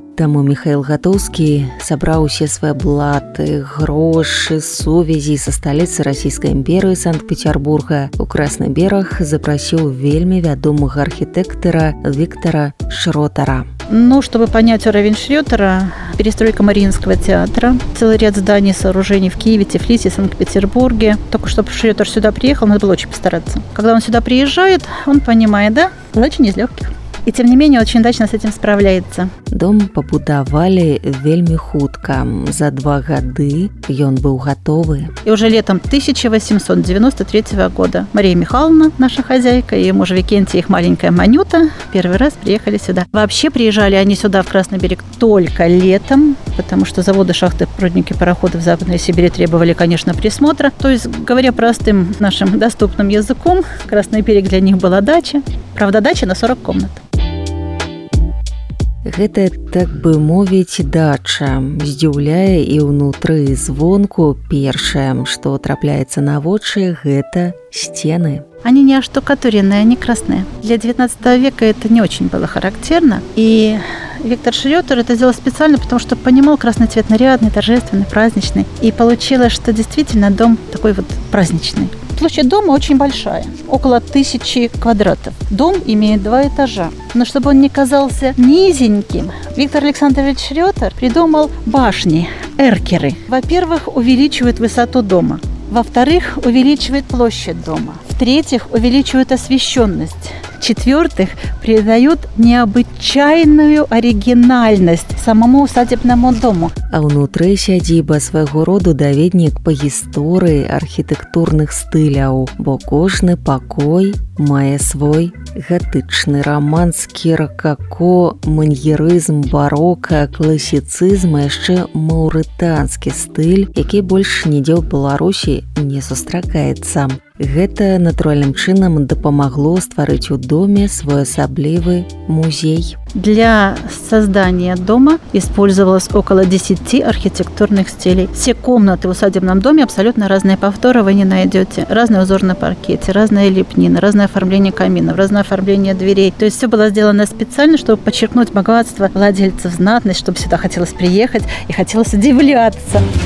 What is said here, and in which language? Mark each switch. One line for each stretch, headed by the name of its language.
Belarusian: Таму Міхаіл Гатоўскі сабраў усе свае блаты, грошы, сувязі са сталіцы Расійскай імперыі Санкт-Пецярбурга. У Красны бераг запрасіў вельмі вядомага архітэктара Віктара Шротара.
Russian: Ну, чтобы понять уровень Шрёдера, перестройка Мариинского театра, целый ряд зданий и сооружений в Киеве, Тифлисе, Санкт-Петербурге. Только чтобы Шрёдер сюда приехал, надо было очень постараться. Когда он сюда приезжает, он понимает, да, задача не из легких. И тем не менее, очень удачно с этим справляется.
Belarusian: Дом побудовали вельми хутка.
Russian: За 2 года он был готовы. И уже летом 1893 года Мария Михайловна, наша хозяйка, и муж Викентий, их маленькая Манюта, первый раз приехали сюда. Вообще приезжали они сюда, в Красный берег, только летом, потому что заводы, шахты, рудники, пароходы в Западной Сибири требовали, конечно, присмотра. То есть, говоря простым нашим доступным языком, Красный берег для них была дача. Правда, дача на 40 комнат.
Belarusian: Гэта, так бы мовіць, дача. Здзіўляе і ўнутры, і звонку. Першае, што трапляецца на вочы, гэта стены.
Russian: Они не оштукатуренные, они красные. Для 19 века это не очень было характерно. И Виктор Шрёдер это сделал специально, потому что понимал, красный цвет нарядный, торжественный, праздничный. И получилось, что действительно дом такой вот праздничный. Площадь дома очень большая, около 1000 квадратов. Дом имеет 2 этажа. Но чтобы он не казался низеньким, Виктор Александрович Шрёдер придумал башни, эркеры. Во-первых, увеличивают высоту дома. Во-вторых, увеличивает площадь дома. В-третьих, увеличивает освещенность. В-четвертых, придают необычайную оригинальность самому усадебному дому.
Belarusian: А внутри сядзіба
Russian: своего рода
Belarusian: даведнік по гісторыі архітэктурных стыляў, бо кожны пакой мае свой гатычны раманскі ракако, маньерызм, барока, класіцызм і яшчэ маўрытанскі стыль, які больш нідзе ў Беларусі не сустракаецца. Гэта натуральным чынам дапамагло стварыць у доме своеасаблівы музей.
Russian: Для создания дома использовалось около 10 архитектурных стилей. Все комнаты в усадебном доме абсолютно разные. Повторы вы не найдете. Разный узор на паркете, разная лепнина, разное оформление каминов, разное оформление дверей. То есть все было сделано специально, чтобы подчеркнуть богатство владельцев, знатность, чтобы сюда хотелось приехать и хотелось удивляться.